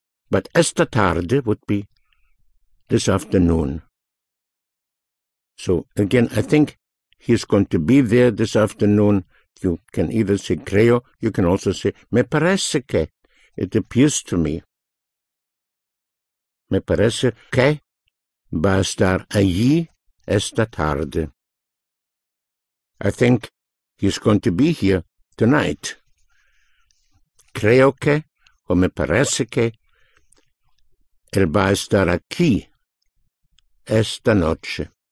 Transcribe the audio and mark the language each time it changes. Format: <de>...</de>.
<en>But</en> <es>esta tarde</es> <en>would be this afternoon. So again, I think he's going to be there this afternoon. You can either say creo, you can also say</en> <es>me parece que.</es> <en>It appears to me.</en> <es>Me parece que va a estar allí esta tarde.</es> <en>I think he's going to be here tonight.</en> <es>Creo que o me parece que él va a estar aquí esta noche.</es>